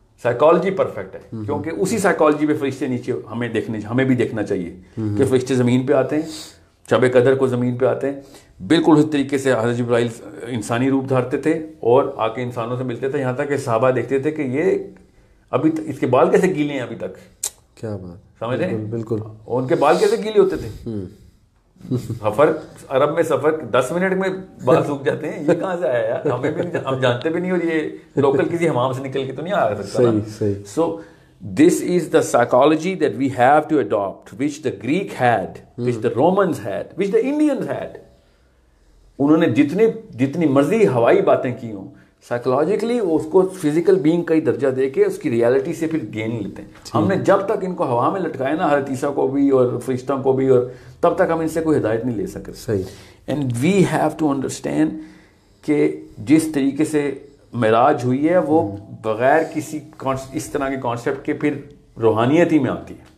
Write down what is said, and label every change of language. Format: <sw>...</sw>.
<ur>Psychology perfect ہے, کیونکہ اسی سائیکالوجی پہ فرشتے نیچے ہمیں دیکھنے, ہمیں بھی دیکھنا چاہیے کہ فرشتے زمین پہ آتے ہیں, شب قدر کو زمین پہ آتے ہیں, بالکل اس طریقے سے حضرت جبرائیل انسانی روپ دھارتے تھے اور آ کے انسانوں سے ملتے تھے, یہاں تک کہ صحابہ دیکھتے تھے کہ یہ ابھی اس کے بال کیسے گیلے ہیں ابھی تک, کیا بات, سمجھ رہے ہیں, بالکل, ان کے بال کیسے گیلے ہوتے تھے, سفر عرب میں سفر 10 منٹ میں بال سوکھ جاتے ہیں, یہ کہاں سے آیا, ہمیں بھی ہم جانتے بھی نہیں, اور یہ لوکل کسی حمام سے نکل کے تو نہیں آ سکتا.</ur> <en>So this is the psychology that we have to adapt, which the Greek head, which the Romans head, which the Indians head.</en> <ur>انہوں نے جتنی مرضی ہوائی باتیں کی ہوں, سائیکولوجیکلی اس کو فزیکل بینگ کا ہی درجہ دے کے اس کی ریالٹی سے پھر گین لیتے ہیں. ہم نے جب تک ان کو ہوا میں لٹکایا نا, حضرت عیسیٰ کو بھی اور فرشتوں کو بھی, اور تب تک ہم ان سے کوئی ہدایت نہیں لے سکے. صحیح.</ur> <en>and we have to understand</en> <ur>کہ جس طریقے سے معراج ہوئی ہے وہ بغیر کسی اس طرح کے کانسیپٹ کے پھر روحانیت ہی میں آتی ہے.</ur>